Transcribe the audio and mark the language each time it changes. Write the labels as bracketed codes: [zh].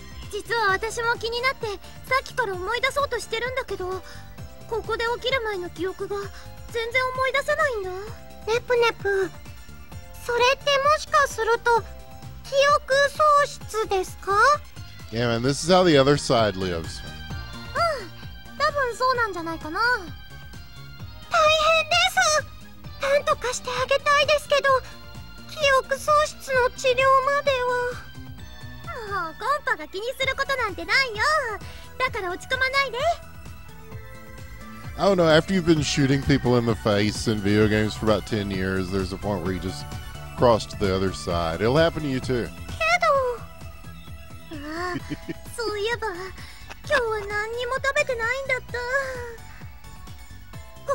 [ja] 実は私も気になってさっきから思い出そうとしてるんだけど、ここで起きる前の記憶が全然思い出せないんだ。ネプネプ、それってもしかすると記憶喪失ですか。 [en] Yeah, and this is how the other side lives. [ja] うん、多分そうなんじゃないかな。大変です。なんとかしてあげたいですけど、記憶喪失の治療までは。もうコンパが気にすることなんてないよ。だから落ち込まないで。 [en] I don't know, after you've been shooting people in the face in video games for about 10 years, there's a point where you just cross to the other side. It'll happen to you too. [ja] けど… そういえば、今日は何も食べてないんだった。